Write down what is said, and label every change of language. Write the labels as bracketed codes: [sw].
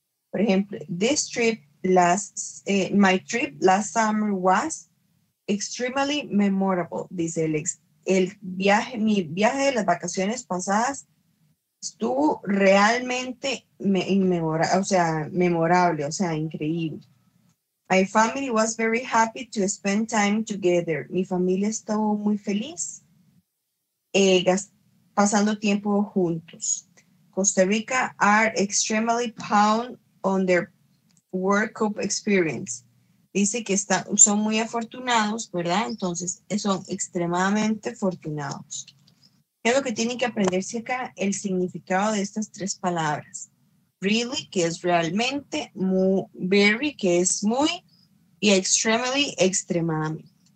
[en] Por ejemplo, this trip, my trip last summer was extremely memorable, dice Alex. [es] Mi viaje de las vacaciones pasadas estuvo realmente memorable, o sea, increíble. [en] My family was very happy to spend time together. [es] Mi familia estuvo muy feliz pasando tiempo juntos. [en] Costa Rica are extremely proud on their World Cup experience. [es] Dice que son muy afortunados, ¿verdad? Entonces, son extremadamente afortunados. ¿Qué es lo que tienen que aprenderse acá? El significado de estas tres palabras. Really, que es realmente, very, que es muy, y extremely, extremadamente.